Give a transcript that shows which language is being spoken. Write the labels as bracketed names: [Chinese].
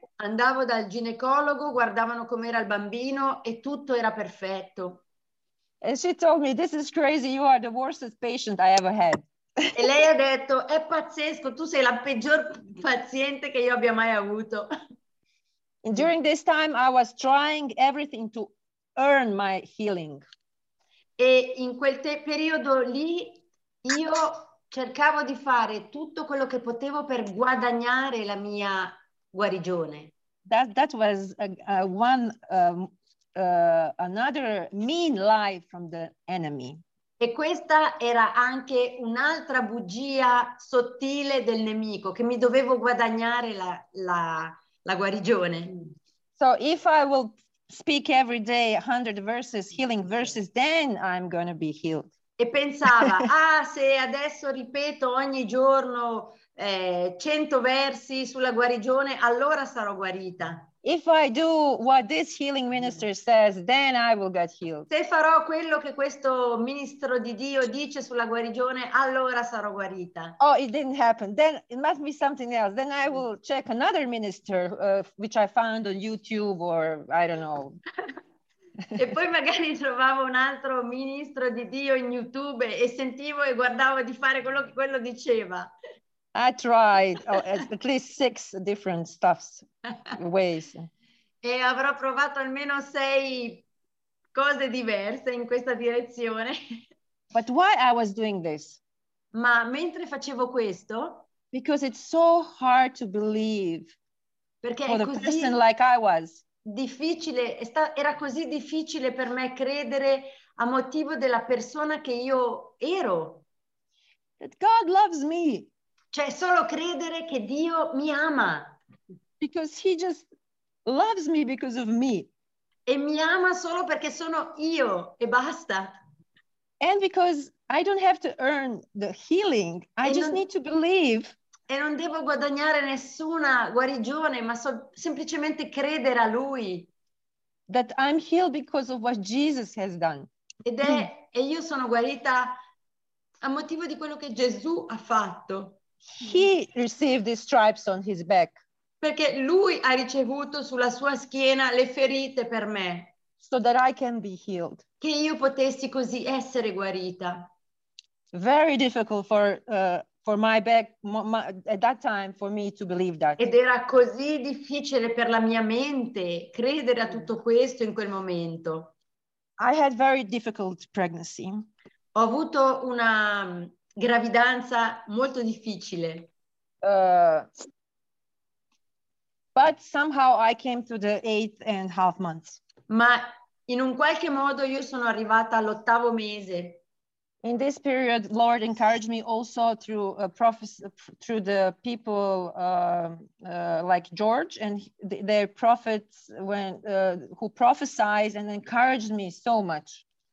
[Italian] Andavo dal ginecologo, guardavano com'era il bambino e tutto era perfetto. [English] And she told me, this is crazy, you are the worst patient I ever had. [Italian] E lei ha detto, è pazzesco, tu sei la peggior paziente che io abbia mai avuto. [English] And during this time I was trying everything to earn my healing. [Italian] E in quel periodo lì io cercavo di fare tutto quello che potevo per guadagnare la mia guarigione. [English] That was another mean lie from the enemy. [Italian] E questa era anche un'altra bugia sottile del nemico, che mi dovevo guadagnare la guarigione. [English] So if I will speak every day 100 verses, healing verses, then I'm going to be healed. [Italian] E pensava, ah, se adesso ripeto ogni giorno 100 versi sulla guarigione, allora sarò guarita. [English] If I do what this healing minister says, then I will get healed. [Italian] Se farò quello che questo ministro di Dio dice sulla guarigione, allora sarò guarita. [English] Oh, it didn't happen. Then it must be something else. Then I will check another minister, which I found on YouTube or I don't know. [Italian] E poi magari trovavo un altro ministro di Dio in YouTube e sentivo e guardavo di fare quello che quello diceva. [English] I tried at least 6 different stuffs, ways. [Italian] E avrò provato almeno 6 cose diverse in questa direzione. [English] But why I was doing this? [Italian] Ma mentre facevo questo? [English] Because it's so hard to believe. [Italian] Perché [English] for [Italian] è così [English] the person like I was. [Italian] Difficile, era così difficile per me credere a motivo della persona che io ero. [English] That God loves me. [Italian] Cioè, solo credere che Dio mi ama. [English] Because he just loves me because of me. [Italian] E mi ama solo perché sono io, e basta. [English] And because I don't have to earn the healing, I just need to believe. [Italian] E non devo guadagnare nessuna guarigione, ma semplicemente credere a lui. [English] That I'm healed because of what Jesus has done. [Italian] E io sono guarita a motivo di quello che Gesù ha fatto. [English] He received the stripes on his back. [Italian] Perché lui ha ricevuto sulla sua schiena le ferite per me. [English] So that I can be healed. [Italian] Che io potessi così essere guarita. [English] Very difficult for my back at that time for me to believe that. [Italian] Ed era così difficile per la mia mente credere a tutto questo in quel momento. [English] I had very difficult pregnancy. [Italian] Ho avuto una gravidanza molto difficile. [English] But somehow I came to the 8 and a half months. [Italian] Ma in un qualche modo io sono arrivata all'ottavo mese. [English] In this period, Lord encouraged me also through a prophecy, through the people like George and their prophets who prophesied and encouraged me so much.